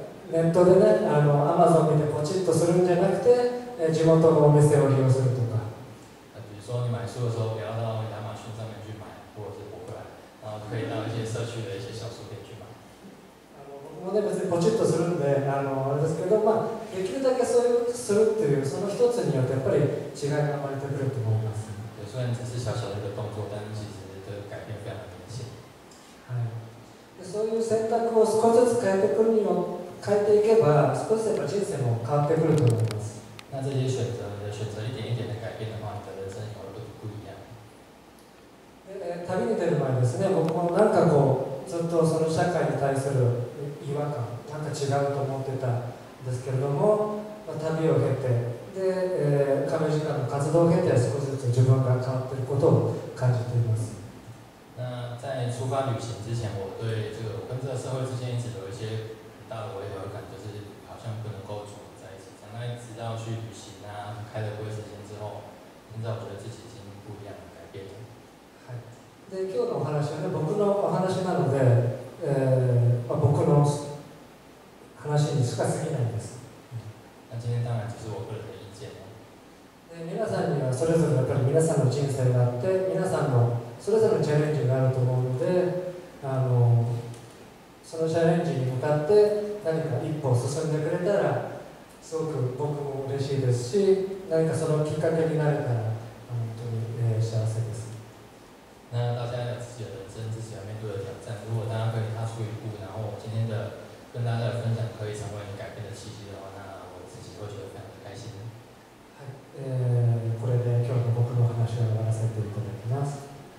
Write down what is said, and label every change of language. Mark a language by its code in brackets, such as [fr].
[ja] ネットでね、アマゾン見てポチッとするんじゃなくて、地元のお店を利用するとか。 [zh] 比如说你买书的时候，不要到亚马逊上面去买，或者是博客来，然后可以到一些社区的一些小书店去买。 [ja] 僕もね、別にポチッとするんで、あれですけど、まあできるだけそういうするっていうその一つによってやっぱり違いが生まれてくると思います。 [zh] 对，虽然只是小小的一个动作，但其实的改变非常明显。 [ja] はい。で、そういう選択を少しずつ変えてくるにも。変えていけば少しでも人生も変わってくると思います。 [zh] 那这些选择的选择一点一点的改变的话，你的人生有了不一样。 [ja] 旅に出る前ですね、僕もなんかこうずっとその社会に対する違和感、なんか違うと思ってたんですけれども、まあ、旅を経てで、カメジカの活動を経て少しずつ自分が変わっていることを感じています。 [zh] 那在出发旅行之前，我对这个跟这个社会之间一直有一些大的违和感，就是好像不能够融合在一起。但那直到去旅行啊，开了贵时间之后，现在我觉得自己已经不一样，改变了。 [ja] で、今日のお話はね、僕のお話なので、まあ、僕の話にしか過ぎないんです。 [zh] 那今天当然只是我个人的意见了。 [ja] で、皆さんにはそれぞれやっぱり皆さんの人生があって、皆さんのそれぞれのチャレンジがあると思うので、そのチャレンジに向かって何か一歩進んでくれたらすごく僕も嬉しいですし、何かそのきっかけになれたら本当に、幸せです。 [zh] 那大家有自己的人生，自己要面对的挑战。如果大家可以踏出一步，然后我今天的跟大家的分享可以成为你改变的契机的话，那我自己会觉得非常的开心。 [ja] はい、これで今日の僕の話を終わらせていただきます。